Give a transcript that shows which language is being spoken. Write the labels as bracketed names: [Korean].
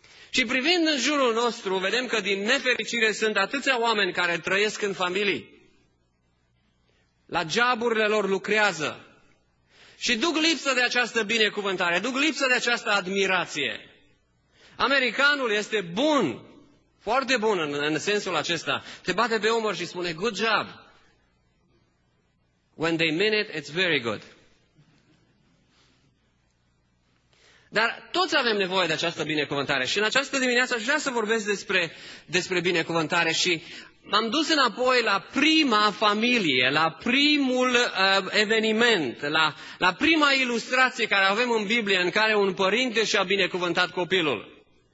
[Romanian] Și privind în jurul nostru, vedem că din nefericire sunt atâția oameni care trăiesc în familii, la geaburile lor lucrează și duc lipsă de această binecuvântare, duc lipsă de această admirație. Americanul este bun, foarte bun în sensul acesta, te bate pe umăr și spune [English] good job. When they mean it, it's very good. [Romanian] Dar toți avem nevoie de această binecuvântare și în această dimineață aș vrea să vorbesc despre binecuvântare și m-am dus înapoi la prima familie, la primul eveniment, la prima ilustrație care avem în Biblie în care un părinte și-a binecuvântat copilul.